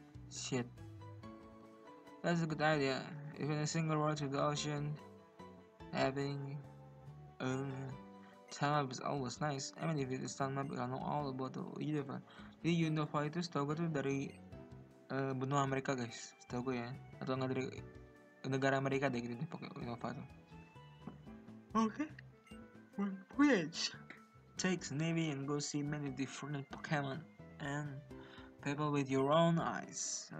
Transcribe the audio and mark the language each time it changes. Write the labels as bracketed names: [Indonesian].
[English] Shit. That's a good idea. Even a single road to the ocean. Having. Time up is always nice. I mean, if it's time up, I know all about the universe. [Indonesian] Jadi Unova itu setau gue tuh dari benua Amerika guys, setau gue ya. Atau nggak dari negara Amerika deh gitu, pokoknya Unova tuh. [English] Okay. One bridge. Take Snivy and go see many different Pokemon and people with your own eyes.